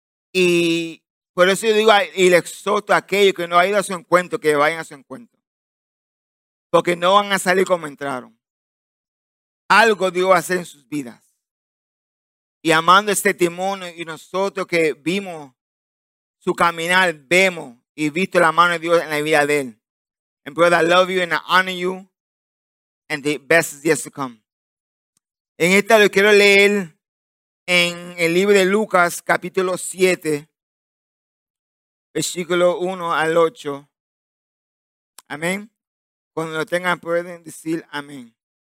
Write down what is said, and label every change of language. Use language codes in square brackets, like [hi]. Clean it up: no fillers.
[es] Y por eso yo digo y le exhorto a aquellos que no han ido a su encuentro, que vayan a su encuentro. Porque no van a salir como entraron. Algo Dios va a hacer en sus vidas. Y amando este testimonio y nosotros que vimos su caminar, vemos y visto la mano de Dios en la vida de él. [en] And brother, I love you and I honor you. And the best is yet to come. [es] En esta lo quiero leer en el libro de Lucas, capítulo 7. Versículo 1 al 8. Amén. Cuando lo tengan pueden decir amén.